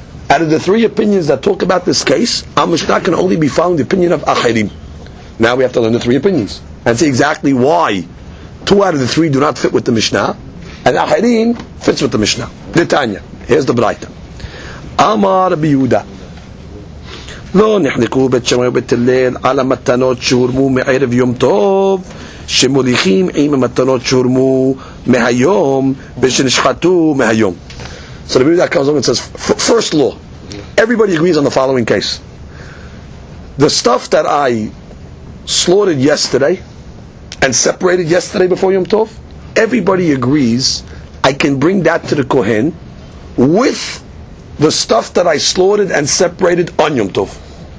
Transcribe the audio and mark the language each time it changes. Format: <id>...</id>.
<en>Out of the three opinions that talk about this case, our Mishnah can only be found the opinion of Achirim. Now we have to learn the three opinions and see exactly why two out of the three do not fit with the Mishnah and Achirim fits with the Mishnah. Netanya, here's the Braita. Amar Rabbi Yehuda.</en> <he>לא נחנקו בית שמאי ובית הלל על המתנות שהורמו מערב יום טוב שמוליכים עם המתנות שהורמו מהיום ושנשחטו מהיום.</he> <en>So the Bible comes up and says, first law, everybody agrees on the following case. The stuff that I slaughtered yesterday and separated yesterday before Yom Tov, everybody agrees I can bring that to the Kohen with the stuff that I slaughtered and separated on Yom Tov.</en>